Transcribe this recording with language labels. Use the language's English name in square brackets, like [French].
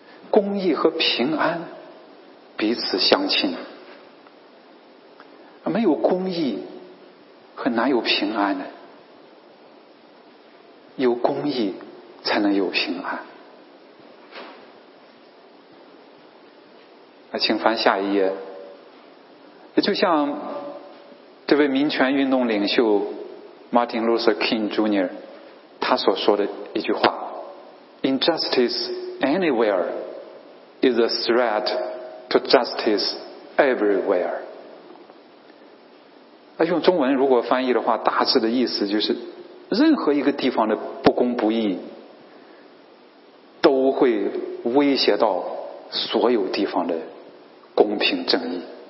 [Chinese] 公义和平安彼此相亲，没有公义很难有平安的，有公义才能有平安。那请翻下一页。就像这位民权运动领袖 Martin Luther King Jr. 他所说的一句话， [English] Injustice anywhere is a threat to justice everywhere。 [Chinese] 那用中文如果翻译的话，大致的意思就是，任何一个地方的不公不义都会威胁到所有地方的公平正义。